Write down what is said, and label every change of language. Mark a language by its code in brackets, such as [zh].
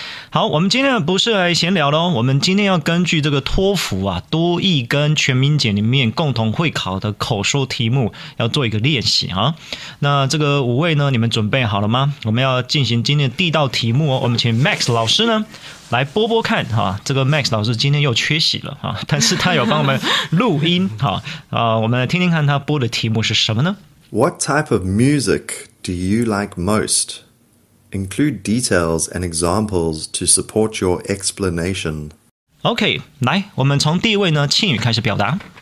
[zh] 好，我们今天不是来闲聊的哦，我们今天要根据这个托福啊多益跟全民检里面共同会考的口说题目要做一个练习、啊、那这个五位呢你们准备好了吗？我们要进行今天的第一道题目、哦、我们请 Max 老师呢来播播看、啊、这个 Max 老师今天又缺席了、啊、但是他有帮我们录音、啊啊、我们来听听看他播的题目是什么呢？ [en] What type of music do you like most? Include details and examples to support your explanation. [zh] OK, 来我们从第一位呢庆宇开始表达。